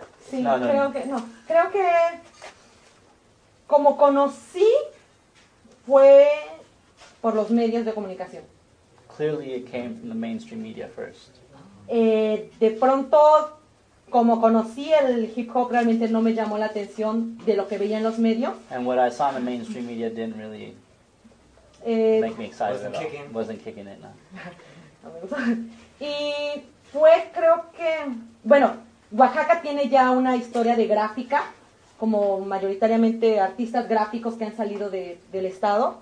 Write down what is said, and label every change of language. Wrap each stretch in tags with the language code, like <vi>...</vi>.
<es>Sí, creo que como conocí fue por los medios de comunicación.</es> <en>Clearly it came from the mainstream media first.</en> <es>De pronto, como conocí el hip hop, realmente no me llamó la atención de lo que veía en los medios.</es> <en>And what I saw in the mainstream media didn't really make me excited. Wasn't kicking it,</en> <es>no. Y fue, creo que, bueno, Oaxaca tiene ya una historia de gráfica, como mayoritariamente artistas gráficos que han salido del estado.</es>